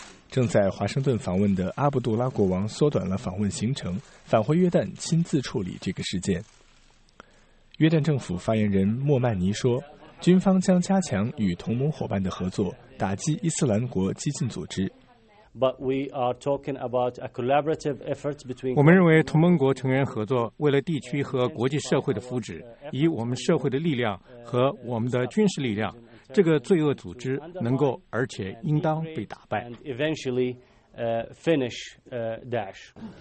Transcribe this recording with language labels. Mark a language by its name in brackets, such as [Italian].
[Chinese] 正在华盛顿访问的阿卜杜拉国王缩短了访问行程，返回约旦亲自处理这个事件。约旦政府发言人莫曼尼说，军方将加强与同盟伙伴的合作，打击伊斯兰国激进组织。 [English] But we are talking about a collaborative effort between. [Chinese] 我们认为同盟国成员合作，为了地区和国际社会的福祉，以我们社会的力量和我们的军事力量，这个罪恶组织能够而且应当被打败。 [English] Eventually, finish Daesh.